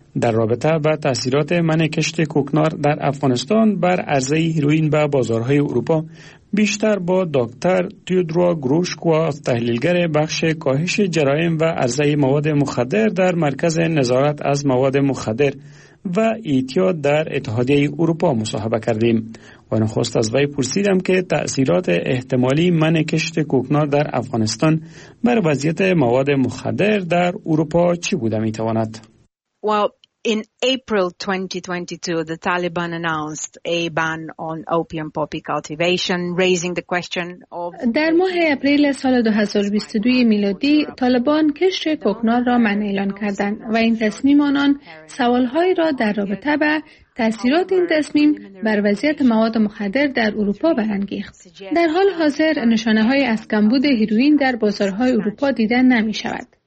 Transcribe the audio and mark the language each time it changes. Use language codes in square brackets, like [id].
[fa] در رابطه با تأثیرات منع کشت کوکنار در افغانستان بر عرضه هیروئین به بازارهای اروپا، بیشتر با دکتر تیودرا گروشکوا، تحلیلگر بخش کاهش جرایم و عرضه مواد مخدر در مرکز نظارت از مواد مخدر و ایتیاد در اتحادیه اروپا مصاحبه کردیم و نخست از وی پرسیدم که تأثیرات احتمالی منع کشت کوکنار در افغانستان بر وضعیت مواد مخدر در اروپا چی بوده می تواند؟ [en] In April 2022, the Taliban announced a ban on opium poppy cultivation, raising the question of. [fa] در ماه اپریل سال 2022 میلادی، طالبان کشت کوکنار را منع اعلان کردند و این تصمیم آنان سوالهای را در رابطه با تأثیرات این تصمیم بر وضعیت مواد مخدر در اروپا برانگیخت. در حال حاضر نشانه های از کمبود هیروئین در بازارهای اروپا دیدن نمی شود.